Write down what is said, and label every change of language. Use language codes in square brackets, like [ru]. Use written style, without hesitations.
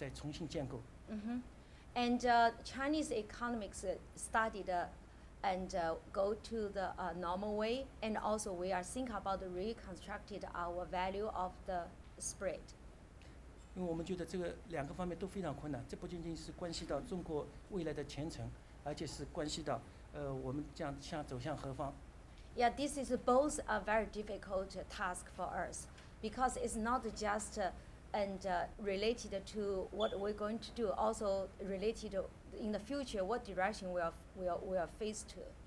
[zh] 所以呢，我们现在讲经济，我们进入了新的常态。然后我们在这个文明方面或者价值观方面，我们也开始在重新建构。嗯哼。 [en] And Chinese economics studied and go to the normal way, and also we are think about the reconstructed our value of the spread. [zh] 因为我们觉得这个两个方面都非常困难，这不仅仅是关系到中国未来的前程。而且是关系到，我们将向走向何方？ [en] Yeah, this is both a very difficult task for us, because it's not just related to what we're going to do, also related in the future what direction we are faced to.